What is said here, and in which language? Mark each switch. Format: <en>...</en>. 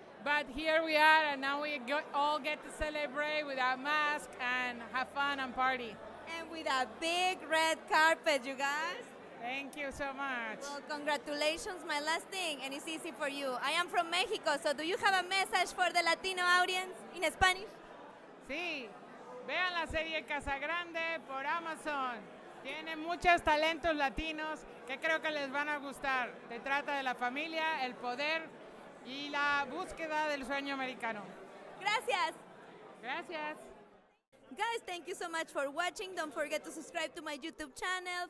<en>But here we are, and now we all get to celebrate with our mask and have fun and party. And with a big red carpet, you guys. Thank you so much. Well, congratulations. My last thing, and it's easy for you. I am from Mexico, so do you have a message for the Latino audience in Spanish?</en> <es>Sí. Vean la serie Casa Grande por Amazon. Tiene muchos talentos latinos que creo que les van a gustar. Se trata de la familia, el poder y la búsqueda del sueño americano. Gracias. Gracias.</es> <en>Guys, thank you so much for watching. Don't forget to subscribe to my YouTube channel.</en>